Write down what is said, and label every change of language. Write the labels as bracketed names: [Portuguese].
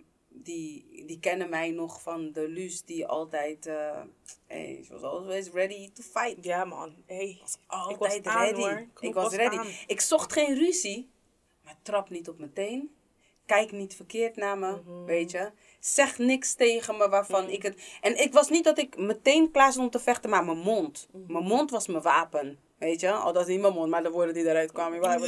[Dutch] Die kennen mij nog van de Luus die altijd... [English] ze was always ready to fight. [Dutch] Ja, man. Hey, altijd ik was ready. Ik was ready. Ik zocht geen ruzie. Maar trap niet op meteen. Kijk niet verkeerd naar me. Mm-hmm. Weet je. Zeg niks tegen me waarvan ik het... En ik was niet dat ik meteen klaar stond om te vechten, maar mijn mond. Mm-hmm. Mijn mond was mijn wapen. Weet je. Dat is niet mijn mond, maar de woorden die eruit kwamen.